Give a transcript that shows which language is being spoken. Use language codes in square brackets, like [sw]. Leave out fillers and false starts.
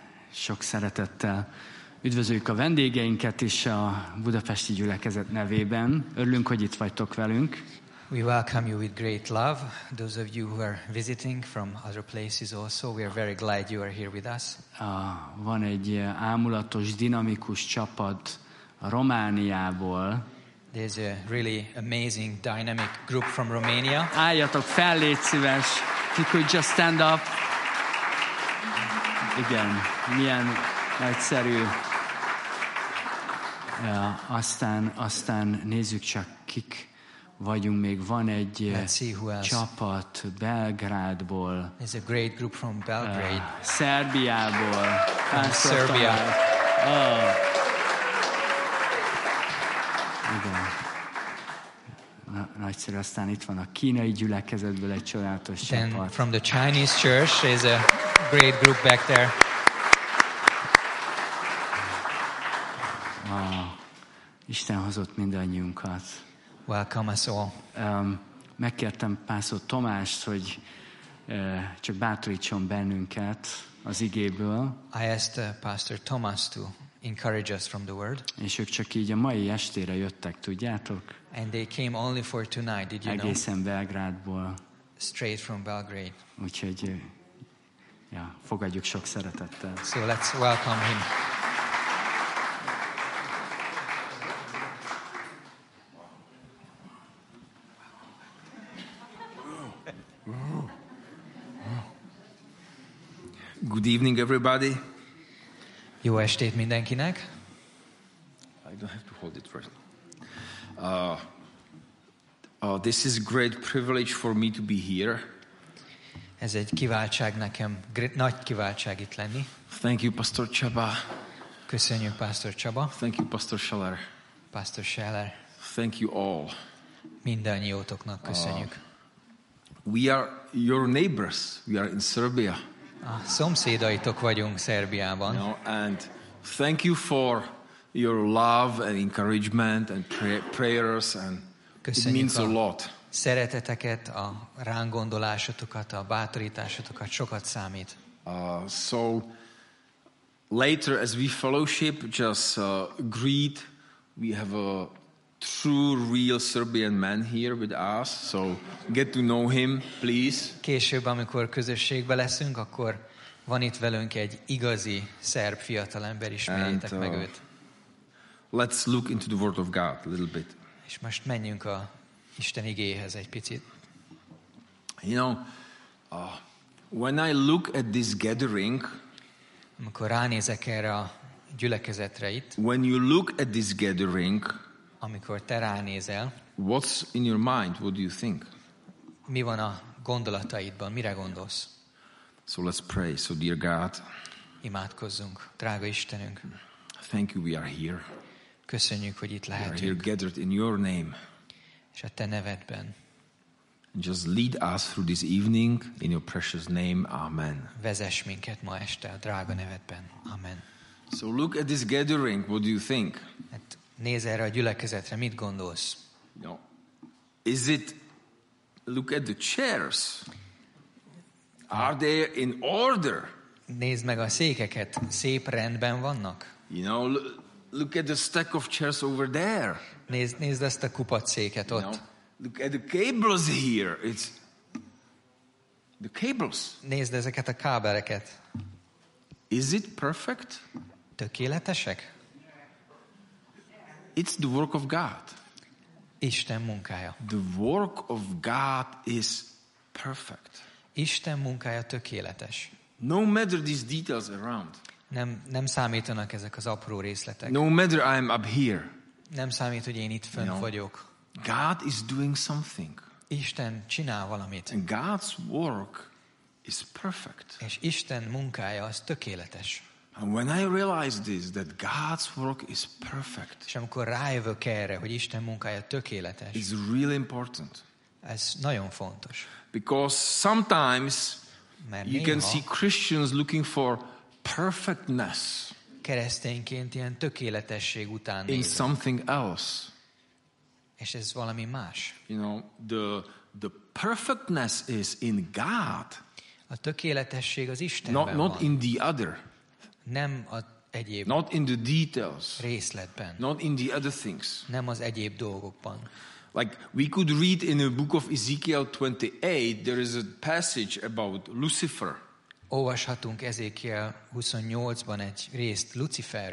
[hu] Sok szeretettel üdvözlük a vendégeinket is a budapesti gyülekezet nevében. Örülünk, hogy itt vagytok velünk. [en] We welcome you with great love. Those of you who are visiting from other places also, we are very glad you are here with us. [hu] Van egy ámulatos, dinamikus csapat Romániából. [en] There's a really amazing dynamic group from Romania. [hu] Álljatok fel, légy szíves. [en] If you could just stand up. [hu] Igen, milyen nagyszerű. Ja, aztán nézzük csak, kik vagyunk még. Van egy csapat Belgrádból. [en] There's a great group from Belgrade. [hu] Szerbiából. [en] Serbia. Oh. [hu] Igen. Nagyszerű, aztán itt van a kínai gyülekezetből egy csodálatos csapat. [en] From the Chinese church is a great group back there. [hu] Isten hozott mindannyiunkat. [en] Welcome us all. [hu] Megkértem Pászor Tomást, hogy csak bátorítson bennünket az igéből. [en] I asked Pastor Thomas to encourage us from the word. [hu] És ők csak így a mai estére jöttek, tudjátok? [en] And they came only for tonight, did you know? [hu] Egészen Belgrádból. [en] Straight from Belgrade. [hu] Úgyhogy, ja, fogadjuk sok szeretettel. [en] So let's welcome him. Good evening, everybody. [hu] Jó estét mindenkinek. [en] I don't have to hold it first. This is great privilege for me to be here. [hu] Ez egy kiváltság nekem, nagy kiváltság itt lenni. [en] Thank you, Pastor Csaba. [hu] Köszönjük, Pastor Csaba. [en] Thank you, Pastor Scheller. Pastor Scheller. Thank you all. [hu] Mindannyiótoknak köszönjük. [en] We are your neighbors. We are in Serbia. [hu] A szomszédaitok vagyunk Szerbiában. [en] No, and thank you for your love and encouragement and prayers and [hu] köszönjük [en] it means a lot. [hu] Szereteteket, a ránk gondolásotokat, a bátorításotokat sokat számít. [en] So later as we fellowship just greet, we have a true real Serbian man here with us, so get to know him, please. [hu] Később, amikor közösségbe leszünk, akkor van itt velünk egy igazi szerb fiatalember, ismerjétek meg őt. [en] Let's look into the word of God a little bit. [hu] És most menjünk a Isten igéhez egy picit. [en] You know, when I look at this gathering, [hu] amikor ránézek erre a gyülekezetre itt, [en] when you look at this gathering, [hu] amikor te ránézel, [en] what's in your mind? What do you think? [hu] Mi van a gondolataidban? Mire gondolsz? [en] So let's pray. So dear God, [hu] imádkozzunk, drága Istenünk. [en] Thank you, we are here. [hu] Köszönjük, hogy itt lehetünk. [en] We are here gathered in your name. [hu] És a te nevedben. [en] And just lead us through this evening in your precious name. Amen. [hu] Vezess minket ma este a drága nevedben. Amen. [en] So look at this gathering. What do you think? [hu] Nézz erre a gyülekezetre, mit gondolsz? [en] No. Is it, look at the chairs. Are they in order? [hu] Nézd meg a székeket, szép rendben vannak. [en] You know, look at the stack of chairs over there. [hu] Nézd ezt a kupac széket ott. [en] Know, look at the cables here. It's the cables. [hu] Nézd ezeket a kábeleket. [en] Is it perfect? [hu] Tökéletesek? [en] It's the work of God. [hu] Isten munkája. [en] The work of God is perfect. [hu] Isten munkája tökéletes. [en] No matter these details around. [hu] Nem számítanak ezek az apró részletek. [en] No matter I am up here. [hu] Nem számít, hogy én itt fönn vagyok. [en] God is doing something. [hu] Isten csinál valamit. [en] And God's work is perfect. [hu] És Isten munkája az tökéletes. [en] And when I realize this, that God's work is perfect, [hu] és amikor rájövök erre, hogy Isten munkája tökéletes, [en] it's really important. [hu] Ez nagyon fontos. [en] Because sometimes you can see Christians looking for perfectness. [hu] Keresztényként ilyen tökéletesség után nézünk. [en] In something else. [hu] És ez valami más. [en] You know, the perfectness is in God. [hu] A tökéletesség az Istenben van. [en] Not in the other. [hu] Nem a egyéb [en] not in the details. [hu] Részletben. [en] Not in the other things. [hu] Nem az egyéb dolgokban. [en] Like we could read in the book of Ezekiel 28, there is a passage about Lucifer. [hu] Olvashatunk Ezékiel 28-ban egy részt Luciferről.